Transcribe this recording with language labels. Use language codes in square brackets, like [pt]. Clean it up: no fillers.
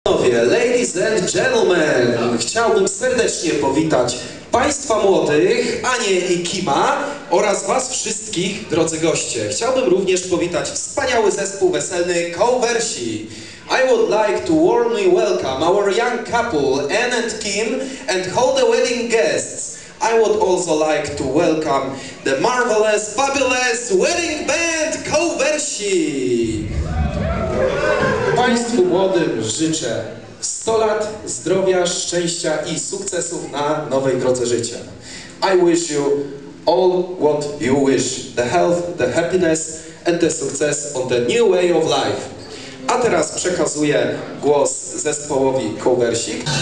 [pl] Panowie, [en] ladies and gentlemen, [pl] chciałbym serdecznie powitać Państwa młodych, Anię i Kima oraz Was wszystkich, drodzy goście. Chciałbym również powitać wspaniały zespół weselny Conversi. [en] I would like to warmly welcome our young couple, Anne and Kim, and all the wedding guests. I would also like to welcome the marvelous, fabulous wedding band Conversi. [pl] Państwu młodym życzę 100 lat zdrowia, szczęścia i sukcesów na nowej drodze życia. [en] I wish you all what you wish, the health, the happiness and the success on the new way of life. [pl] A teraz przekazuję głos zespołowi Conversi.